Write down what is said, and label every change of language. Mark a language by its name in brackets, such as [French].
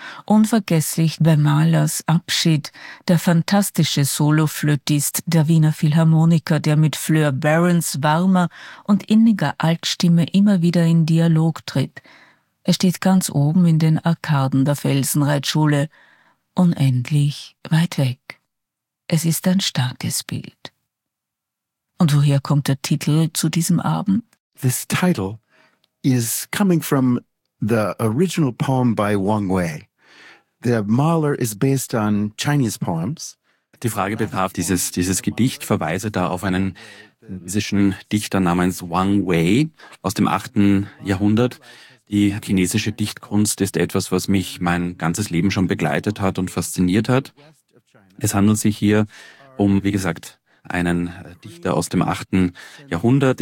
[German] Unvergesslich bei Mahlers Abschied der fantastische Soloflötist der Wiener Philharmoniker, der mit Fleur Barons warmer und inniger Altstimme immer wieder in Dialog tritt. Er steht ganz oben in den Arkaden der Felsenreitschule, unendlich weit weg. Es ist ein starkes Bild. Und woher kommt der Titel zu diesem Abend? [English] This title is coming from the original poem by Wang Wei. The Mahler is based on Chinese poems. [German] Die Frage betraf dieses Gedicht, verweise da auf einen chinesischen Dichter namens Wang Wei aus dem 8. Jahrhundert. Die chinesische Dichtkunst ist etwas, was mich mein ganzes Leben schon begleitet hat und fasziniert hat. Es handelt sich hier um, wie gesagt, einen Dichter aus dem 8. Jahrhundert.